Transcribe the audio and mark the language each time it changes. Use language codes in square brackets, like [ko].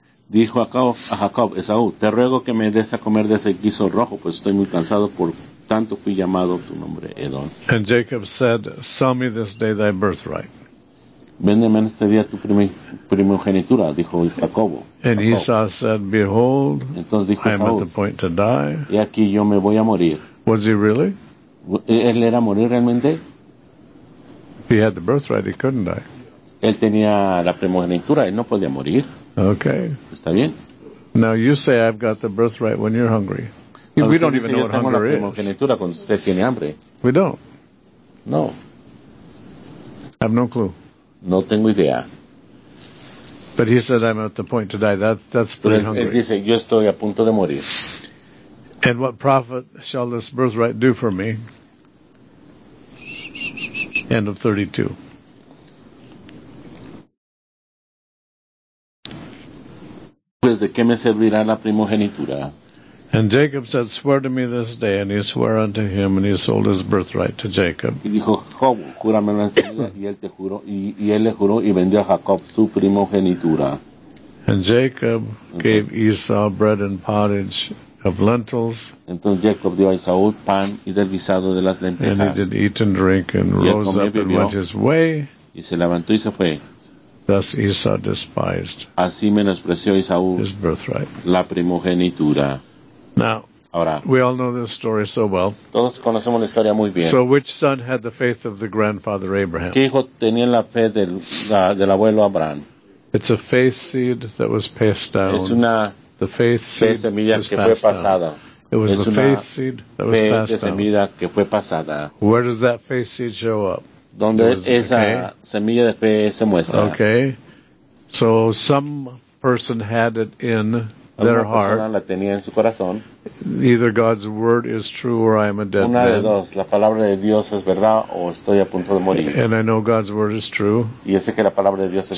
[es] Dijo a Jacob, Esaú, te ruego que me des a comer de ese guiso rojo, pues estoy muy cansado, por tanto fui llamado tu nombre Edom. [en] And Jacob said, sell me this day thy birthright. [es] Véndeme en este día tu primogenitura, dijo Jacobo. [en] And Esau said, behold, [es] entonces dijo, [en] I am at the point to die. [es] Y aquí yo me voy a morir. [en] Was he really? [es] ¿Él era morir realmente? [en] If he had the birthright, he couldn't die. [es] Él tenía la primogenitura, él no podía morir. [en] Okay. [es] ¿Está bien? [en] Now you say I've got the birthright when you're hungry. No, we don't even know what hunger is. [es] Yo tengo la primogenitura cuando usted tiene hambre. [en] We don't. [es] No. [en] I have no clue. [es] No tengo idea. [en] But he said I'm at the point to die. That's pretty [es] él, [en] hungry. [es] Él dice, yo estoy a punto de morir. [en] And what profit shall this birthright do for me? End of 32. [es] Pues, ¿de qué me servirá la primogenitura? [en] And Jacob said, swear to me this day, and he swore unto him, and he sold his birthright to Jacob. [es] Y dijo, Job, júramelo en este día, y él te juró, y él le juró, y vendió a Jacob su primogenitura. [en] And Jacob gave Esau bread and pottage of lentils. [es] Entonces Jacob dio a Esau pan y del guisado de las lentejas. [en] And he did eat and drink, and rose up and went his way. [es] Y se levantó y se fue. [en] Thus Esau despised [es] así menospreció Esaú [en] his birthright. [es] La primogenitura. [en] Now, [es] ahora, [en] we all know this story so well. [es] Todos conocemos la historia muy bien. [en] So which son had the faith of the grandfather Abraham? [es] ¿Qué hijo tenía la fe del abuelo Abraham? [en] It's a faith seed that was passed down. [es] Es una [en] the faith seed [es] semilla que fue pasada. [en] It was [es] es [en] the faith seed that was passed down. [es] Fe semilla que fue pasada. [en] Where does that faith seed show up? [es] Donde esa okay. Semilla de fe se muestra. [en] Okay. So some person had it in their heart. [es] La tenía en su corazón. [en] Either God's word is true or I am a dead [es] una [en] man. [es] De dos. La palabra de Dios es verdad o estoy a punto de morir. [en] And I know God's word is true. [es] Y sé que la palabra de Dios es